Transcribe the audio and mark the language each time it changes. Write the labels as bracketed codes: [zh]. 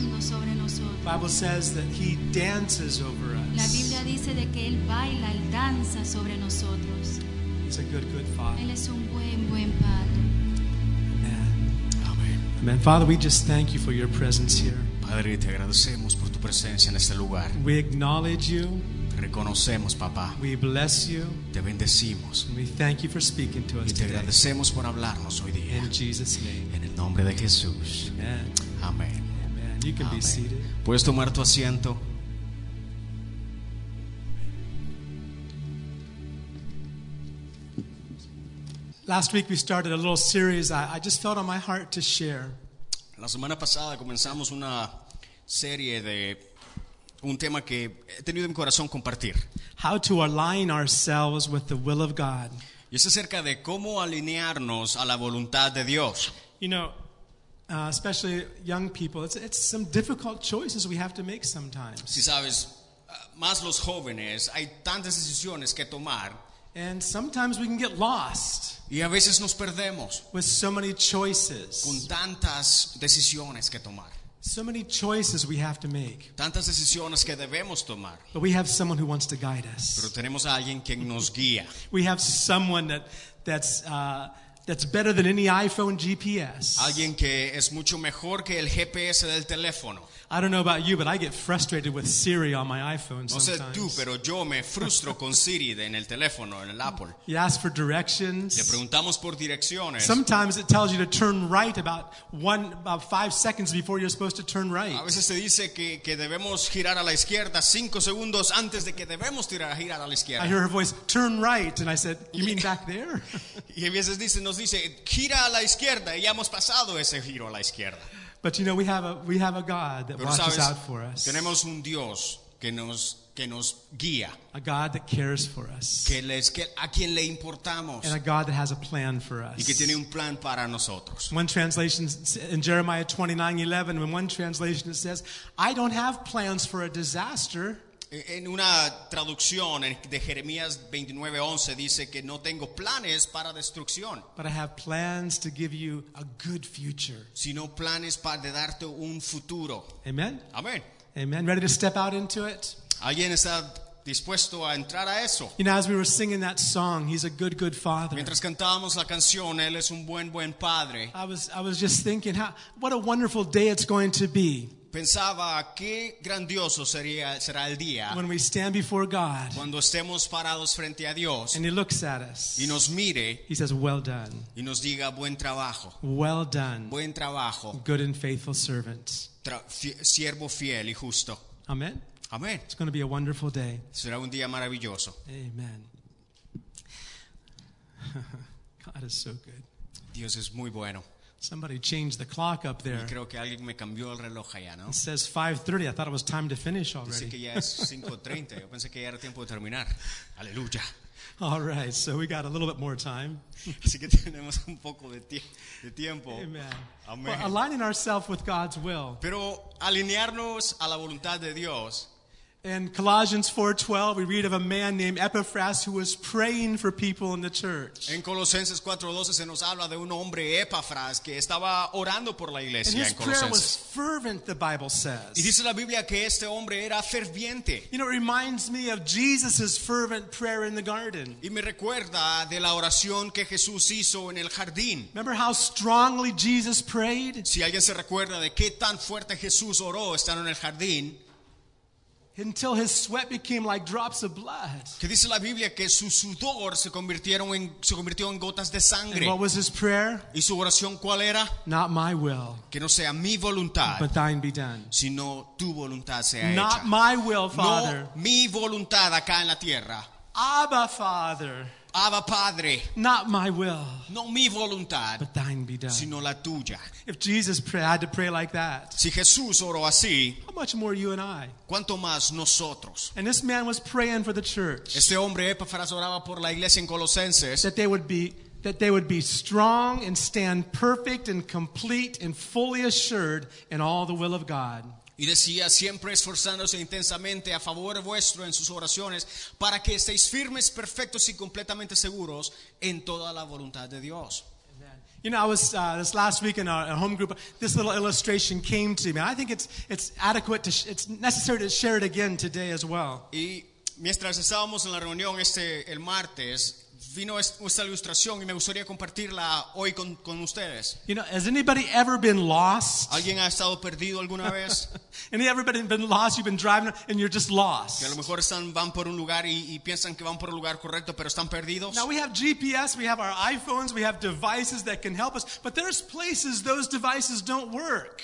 [en] The Bible says that he dances over us. [es] La Biblia dice de que él baila, él danza sobre nosotros. [en] He's a good, good father. [es] Él es un buen, buen padre. [en] Amen. Amen. Father, we just thank you for your presence here. [es] Padre, te agradecemos por tu presencia en este lugar. [en] We acknowledge you. [es] Reconocemos, papá. [en] We bless you. [es] Te bendecimos. [en] And we thank you for speaking to us [es] today. Y te agradecemos por hablarnos hoy día. [en] In Jesus' name. [es] En el nombre de Jesús. [en] Amen. [es] Amen. [en] You can be seated. [es] Puedes tomar tu asiento. [en] Last week we started a little series. I just felt on my heart to share. [es] La semana pasada comenzamos una serie de un tema que he tenido en mi corazón compartir. [en] How to align ourselves with the will of God. [es] Y es acerca de cómo alinearnos a la voluntad de Dios. [en] You know, especially young people, it's some difficult choices we have to make sometimes. [es] Si sabes, más los jóvenes, hay tantas decisiones que tomar. [en] And sometimes we can get lost. [es] Y a veces nos perdemos. [en] With so many choices. [es] Con tantas decisiones que tomar. [en] So many choices we have to make. [es] Tantas decisiones que debemos tomar. [en] But we have someone who wants to guide us. [es] Pero tenemos a alguien quien nos guía. [en] We have someone that's better than any iPhone GPS. [es] Alguien que es mucho mejor que el GPS del teléfono. [en] I don't know about you, but I get frustrated with Siri on my iPhone sometimes. [es] No sé tú, pero yo me frustro con Siri en el teléfono, en el Apple. [en] You ask for directions. [es] Le preguntamos por direcciones. [en] Sometimes it tells you to turn right about 5 seconds before you're supposed to turn right. [es] A veces te dice que debemos girar a la izquierda 5 segundos antes de que debemos girar a la izquierda. [en] I hear her voice, turn right, and I said, you mean back there? [es] Y a veces nos dice, gira a la izquierda, y ya hemos pasado ese giro a la izquierda. [en] But you know we have a God that [es] Pero [en] watches [es] sabes, [en] out for us. [es] Tenemos un Dios que nos guía. [en] A God that cares for us. [es] A quien le importamos. [en] And a God that has a plan for us. [es] Y que tiene un plan para nosotros. [en] One translation in Jeremiah 29:11. In one translation it says, "I don't have plans for a disaster." [es] En una traducción de Jeremías 29:11 dice que no tengo planes para destrucción. [en] But I have plans to give you a good future. [es] Sino planes para darte un futuro. [en] Amen. [es] Amen. [en] Amen. Ready to step out into it? [es] ¿Alguien está dispuesto a entrar a eso? [en] You know, as we were singing that song, He's a good, good father. [es] Mientras cantábamos la canción, Él es un buen, buen padre. [en] I was just thinking, what a wonderful day it's going to be. [es] Pensaba qué grandioso será el día [en] when we stand before God, [es] cuando estemos parados frente a Dios [en] and he looks at us, [es] y nos mire [en] he says, well done, [es] y nos diga buen trabajo, [en] well done, [es] buen trabajo, [en] good and faithful servant, [es] siervo fiel y justo. [en] Amen. [es] Amen. [en] It's going to be a wonderful day. [es] Será un día maravilloso. [en] Amen. God is so good. [es] Dios es muy bueno. [en] Somebody changed the clock up there. [es] Creo que alguien me cambió el reloj allá, ¿no? [en] It says 5:30. I thought it was time to finish already. [es] Dice que ya es 5:30. Yo pensé que ya era tiempo de terminar. Aleluya. [en] All right, so we got a little bit more time. [es] Así que tenemos un poco de tiempo. [en] Amen. [es] Amen. [en] Well, aligning ourselves with God's will. [es] Pero alinearnos a la voluntad de Dios. [en] In Colossians 4:12, we read of a man named Epaphras who was praying for people in the church. [es] En Colosenses 4:12 se nos habla de un hombre Epaphras que estaba orando por la iglesia en Colosenses. [en] And his prayer was fervent, the Bible says. [es] Y dice la Biblia que este hombre era ferviente. [en] You know, it reminds me of Jesus's fervent prayer in the garden. [es] Y me recuerda de la oración que Jesús hizo en el jardín. [en] Remember how strongly Jesus prayed? [es] Si alguien se recuerda de qué tan fuerte Jesús oró estando en el jardín. [en] Until his sweat became like drops of blood. [es] Que dice la Biblia que su sudor se convirtió en gotas de sangre. [en] And what was his prayer? [es] ¿Y su oración cuál era? [en] Not my will. [es] Que no sea mi voluntad. [en] But thine be done. [es] Sino tu voluntad sea hecha. [en] Not my will, Father. [es] No mi voluntad acá en la tierra. [en] Abba, Father. [es] Abba, Padre. [en] Not my will. [es] No mi voluntad. [en] But thine be done. [es] Sino la tuya. [en] If Jesus had to pray like that. [es] Si Jesús oró así. [en] How much more you and I? [es] ¿Cuánto más nosotros? [en] And this man was praying for the church. [es] Este hombre Epáfras oraba por la iglesia en Colosenses. [en] That they would be strong and stand perfect and complete and fully assured in all the will of God. [es] Y decía, siempre esforzándose intensamente a favor vuestro en sus oraciones, para que estéis firmes, perfectos y completamente seguros en toda la voluntad de Dios. [en] You know, I was this last week in a home group, this little illustration came to me. I think it's necessary to share it again today as well. [es] Y mientras estábamos en la reunión el martes, vino esta ilustración y me gustaría compartirla hoy con ustedes. [en] You know, has anybody ever been lost? [es] ¿Alguien ha estado perdido alguna vez? [en] Anybody been lost? You've been driving and you're just lost. [es] Que a lo mejor van por un lugar y piensan que van por el lugar correcto, pero están perdidos. [en] Now we have GPS, we have our iPhones, we have devices that can help us, but there's places those devices don't work.